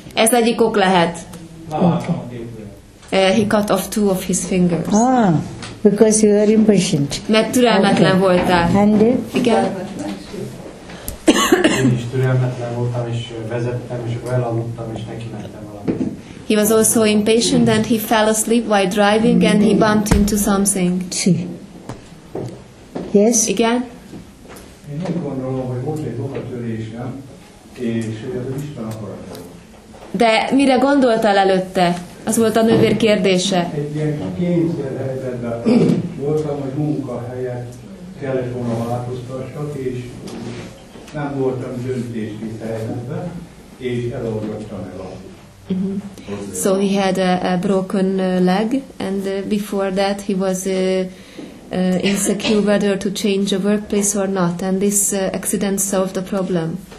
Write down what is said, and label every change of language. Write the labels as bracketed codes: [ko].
[hu] Ez egyik ok lehet. [en] Okay. He cut off 2 of his fingers. Because you were impatient. [hu] Mert türelmetlen voltál. [en] And [hu] igen. Én is türelmetlen voltam, és vezettem, és akkor elaludtam, és neki mentem valamit. [en] He was also impatient, and he fell asleep while driving, and he bumped into something. Yes? [hu] Igen? Én úgy gondolom, hogy volt egy odatörésem, és hogy az Isten akarat. De mire gondoltál előtte? Az volt a nővér kérdése. Egy ilyen kényszerhelyzetben voltam, hogy munkahelyet kellett volna változtassak, és nem voltam döntéskész helyzetben, és elolgattam el azt. Mm-hmm. [en] So he had a broken leg, and before that he was insecure whether to change a workplace or not, and this accident solved the problem.